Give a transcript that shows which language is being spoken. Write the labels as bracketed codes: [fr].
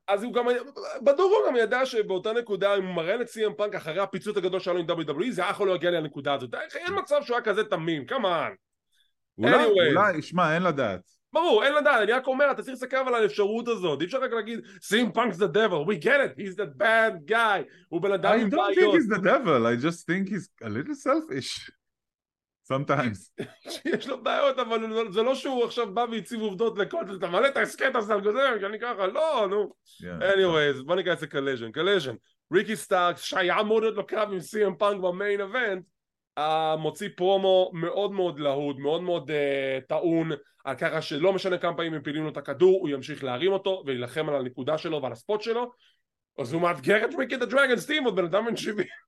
[he] אז הוא גם, בדור הוא גם ידע שבאותה נקודה הוא מראה לסי-אם פאנק אחרי הפיצוץ הגדול שלו עם WWE, זה יכול להגיע לי לנקודה הזאת. אין מצב שהוא היה כזה תמים, כמובן. אולי, שמע, אין לדעת. ברור, אין לדעת, אני רק אומר, אתה צריך לסכם על האפשרות הזאת. אי אפשר רק להגיד, סי-אם פאנק זה דבל, [en] we get it, he's that bad guy. [he] הוא בן אדם עם בעיות. [en] I don't think he's the devil, I just think he's a little selfish. Sometimes. [he] יש לו בעיות, אבל זה לא שהוא עכשיו בא והציב עובדות לקוטל, אתה מלא את הסקט הזה על גוזר, כי אני ככה, לא, נו. Anyways, בוא נקרא את זה קלז'ן. קלז'ן, ריקי סטארקס, שהיה מאוד עוד לוקרב עם CM Punk במיין אבנט, מוציא פרומו מאוד מאוד להוד, מאוד מאוד טעון, על ככה שלא משנה כמה פעמים מפילים לו את הכדור, הוא ימשיך להרים אותו ולהילחם על הנקודה שלו ועל הספוט שלו, אז הוא מאתגר את ריקי דה דרגון סטים, עוד בן אדם בן 70,